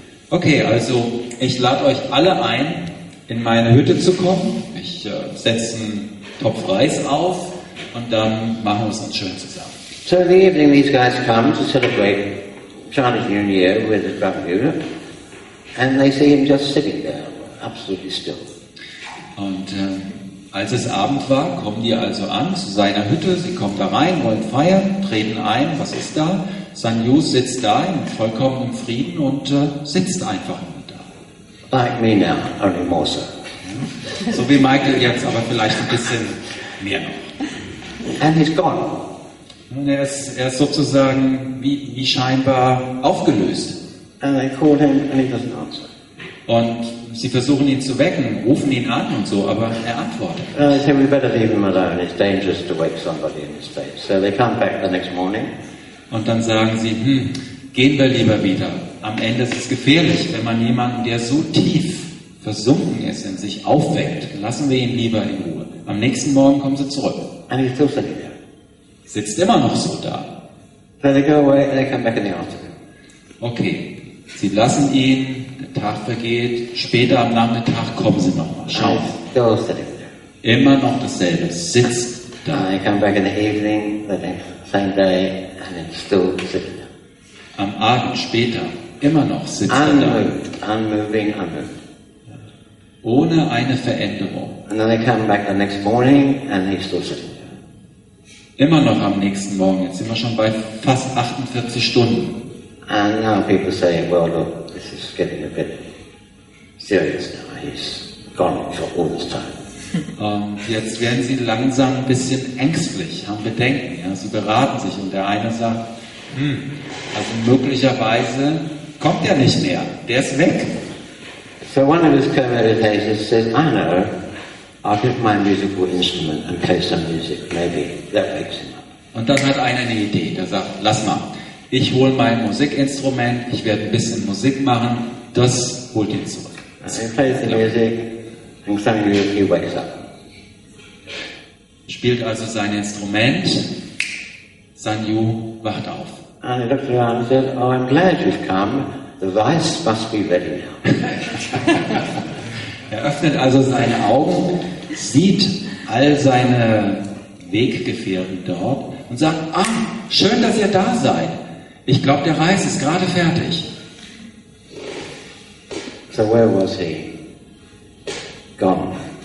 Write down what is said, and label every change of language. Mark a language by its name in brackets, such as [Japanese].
[German] Okay, also ich lade euch alle ein, in meine Hütte zu kommen. Ich setze einen Topf Reis auf und dann machen wir es uns schön zusammen. [English] So in the evening these guys come to celebrate Chinese New Year with his brother Yuda and they see him just sitting there, absolutely still. [German] Und als es Abend war, kommen die also an zu seiner Hütte, sie kommen da rein, wollen feiern, treten ein, was ist da? Zhang Yu sitzt da in vollkommenem Frieden und sitzt einfach nur da. [English] Like me now, only more so. [German] So wie Michael jetzt, aber vielleicht ein bisschen mehr noch. [English] And he's gone. [German] Und er ist sozusagen wie scheinbar aufgelöst. [English] And they call him and he doesn't answer. [German] Und sie versuchen ihn zu wecken, rufen ihn an und so, aber er antwortet. [English] They say we better leave him alone. It's dangerous to wake somebody in this place. So they come back the next morning. [German] Und dann sagen sie, gehen wir lieber wieder. Am Ende ist es gefährlich, wenn man jemanden, der so tief versunken ist, in sich aufweckt, lassen wir ihn lieber in Ruhe. Am nächsten Morgen kommen sie zurück. [English] And he's still sitting there. [German] Sitzt immer noch so da. [English] So they go away and they come back in the afternoon. [German] Okay, sie lassen ihn. Tag vergeht, später am Nachmittag kommen sie nochmal, schauen. Immer noch dasselbe, sitzt da. [English] I come back in the evening, the same day, and it's still sitting there. [German] Am Abend, später, immer noch sitzt er da. [English] Unmoving. [German] Ohne eine Veränderung. [English] And then I come back the next morning, and he's still sitting there. [German] Immer noch am nächsten Morgen, jetzt sind wir schon bei fast 48 Stunden. [English] And now people say, well, look, this is getting a bit serious now. He's gone for all this time. [German] Jetzt werden sie langsam ein bisschen ängstlich, haben Bedenken. Ja? Sie beraten sich und der eine sagt, also möglicherweise kommt er nicht mehr. Der ist weg. [English] So one of his co-meditators says, I know, I'll get my musical instrument and play some music, maybe. That wakes him up. [German] Und dann hat einer eine Idee, der sagt, lass mal, ich hole mein Musikinstrument, ich werde ein bisschen Musik machen, das holt ihn zurück. [English] He plays the music, and suddenly he wakes up. [German] Spielt also sein Instrument, Sanyu wacht auf. [English] And he looked around and said, oh, I'm glad you've come, the vice must be ready now. [German] Er öffnet also seine Augen, sieht all seine Weggefährten dort und sagt, ah, schön, dass ihr da seid. Ich glaube, der Reis ist gerade fertig. [English] So where was he? Gone.